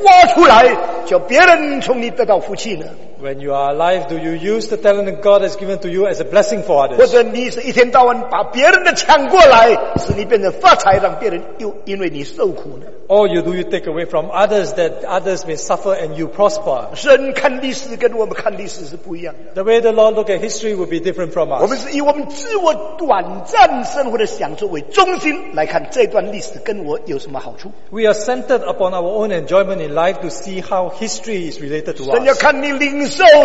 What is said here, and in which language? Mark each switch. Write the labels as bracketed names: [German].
[Chinese] 你或者一天是把你里面的恩赐才干挖出来，叫别人从你得到福气呢。 [English] When you are alive, do you use the talent that God has given to you as a blessing for others? [Chinese] 或者你是一天到晚把别人的抢过来，使你变成发财，让别人又因为你受苦呢？ [English] Or do you take away from others that others may suffer and you prosper? [Chinese] 神看历史跟我们看历史是不一样的。 [English] The way the Lord look at history will be different from us. [Chinese] 我们是以我们自我短暂生活的享受为中心来看这段历史跟我有什么好处？ [English] We are centered upon our own enjoyment in life to see how history is related to us.